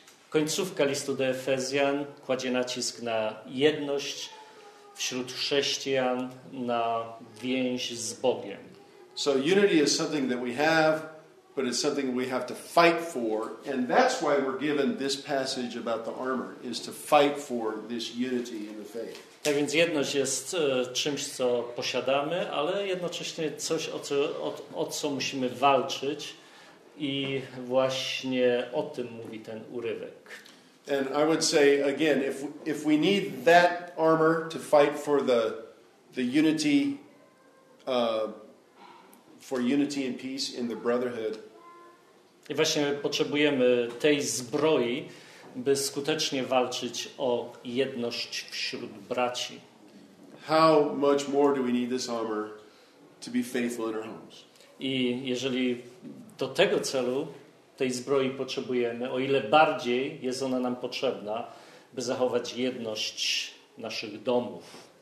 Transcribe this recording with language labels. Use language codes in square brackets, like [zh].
[pl] Końcówka listu do Efezjan kładzie nacisk na jedność wśród chrześcijan, na więź z Bogiem. [en] So unity is something that we have, but it's something we have to fight for, and that's why we're given this passage about the armor, is to fight for this unity in the faith. [pl] Tak więc jedność jest czymś, co posiadamy, ale jednocześnie coś, o co musimy walczyć. I właśnie o tym mówi ten urywek. [en] And I would say again, if we need that armor to fight for the unity for unity and peace in the brotherhood. [pl] I właśnie potrzebujemy tej zbroi, by skutecznie walczyć o jedność wśród braci. [en] How much more do we need this armor to be faithful in our homes? [pl] I jeżeli do tego celu tej zbroi potrzebujemy, o ile bardziej jest ona nam potrzebna, by zachować jedność naszych domów.